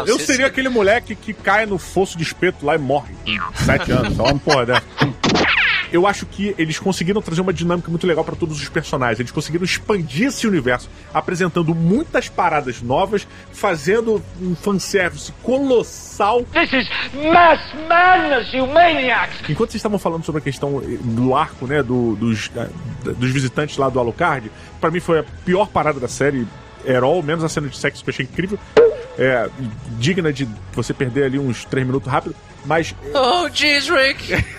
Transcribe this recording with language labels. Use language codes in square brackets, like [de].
[pt] Ah, eu seria aquele moleque que cai no fosso de espeto lá e morre. 7 anos. Dá uma porra dessa. eu acho que eles conseguiram trazer uma dinâmica muito legal pra todos os personagens. Eles conseguiram expandir esse universo, apresentando muitas paradas novas, fazendo um fanservice colossal. [en] This is mass madness, you maniacs! [pt] Enquanto vocês estavam falando sobre a questão do arco, né, dos visitantes lá do Alucard, pra mim foi a pior parada da série, Herol, menos a cena de sexo que eu achei incrível. É, digna de você perder ali uns 3 minutos rápido, mas... [en] Oh, jeez, Rick!